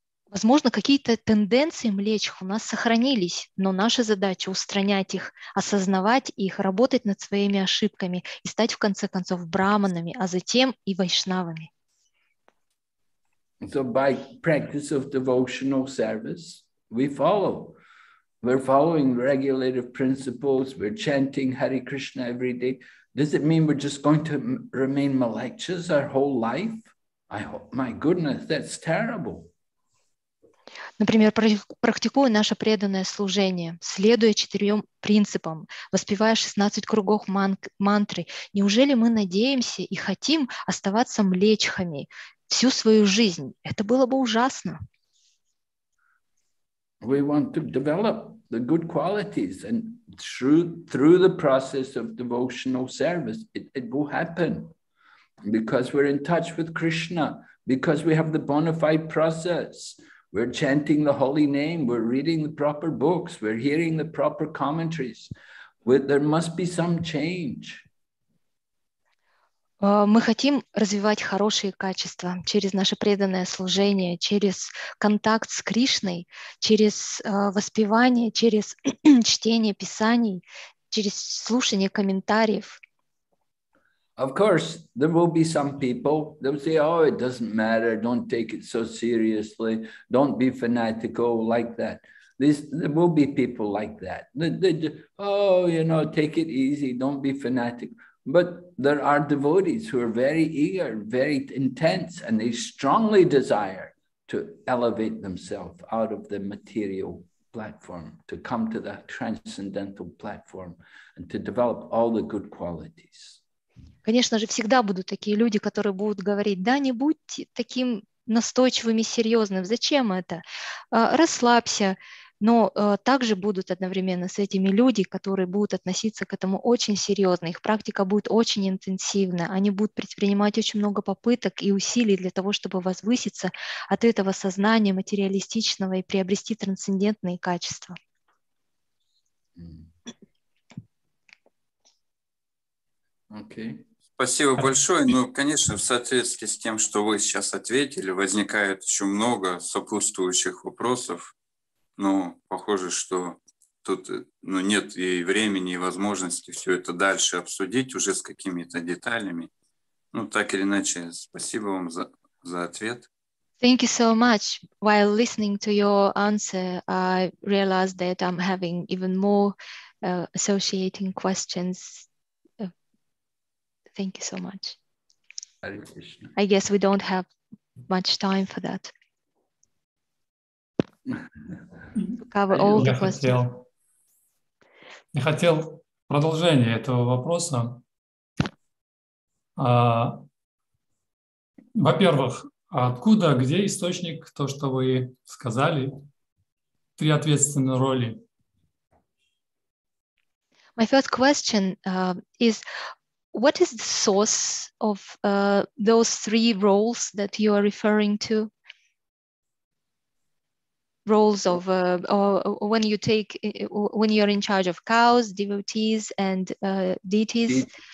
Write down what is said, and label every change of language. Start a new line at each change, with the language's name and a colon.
Russian: Возможно, какие-то тенденции млечих у нас сохранились, но наша задача устранять их, осознавать их, работать над своими ошибками и стать в конце концов брахманами, а затем и вайшнавами.
English: So by practice of devotional service, we follow. We're following regulative principles. We're chanting Hare Krishna every day. Does it mean we're just going to remain malechas our whole life? I hope, my goodness, that's terrible.
Russian: Например, практикуя наше преданное служение, следуя четырем принципам, воспевая 16 кругов мантры, неужели мы надеемся и хотим оставаться млечхами всю свою жизнь? Это было бы ужасно.
English: We want to develop the good qualities, and through the process of devotional service, it will happen. Because we're in touch with Krishna, because we have the bona fide process, we're chanting the holy name, we're reading the proper books, we're hearing the proper commentaries. There must be some change.
Russian: Мы хотим развивать хорошие качества через наше преданное служение, через контакт с Кришной, через воспевание, через чтение писаний, через слушание комментариев.
English: Of course, there will be some people that will say, oh, it doesn't matter, don't take it so seriously, don't be fanatical, like that. There will be people like that. Take it easy, don't be fanatical. But there are devotees who are very eager, very intense, and they strongly desire to elevate themselves out of the material platform, to come to the transcendental platform, and to develop all the good qualities.
Russian: Конечно же, всегда будут такие люди, которые будут говорить, да, не будьте таким настойчивым и серьезным, зачем это? Расслабься. Но также будут одновременно с этими люди, которые будут относиться к этому очень серьезно. Их практика будет очень интенсивна. Они будут предпринимать очень много попыток и усилий для того, чтобы возвыситься от этого сознания материалистичного и приобрести трансцендентные качества.
English: Okay.
Russian: Спасибо большое. Ну, конечно, в соответствии с тем, что вы сейчас ответили, возникает еще много сопутствующих вопросов. Ну, похоже, что тут нет и времени, и возможности все это дальше обсудить уже с какими-то деталями. Ну, так или иначе, спасибо вам за ответ.
English: Thank you so much. While listening to your answer, I realized that I'm having even more associating questions Thank you so much. I guess we don't have much time for that. Cover all the questions.
Russian: Я хотел продолжение этого вопроса. Во-первых, откуда, где источник, то, что вы сказали, три ответственные роли?
English: My first question is, what is the source of those three roles that you are referring to? Roles of, when you take, when you're in charge of cows, devotees, and deities?